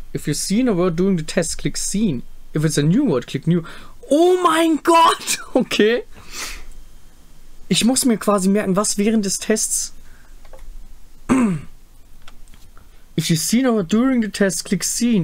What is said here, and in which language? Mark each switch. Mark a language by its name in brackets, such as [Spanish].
[English] If you've seen a word during the test, click seen. If it's a new word, click new. [German] Oh mein Gott! [English] Okay. [German] Ich muss mir quasi merken, was während des Tests. [English] If you've seen a word during the test, click seen.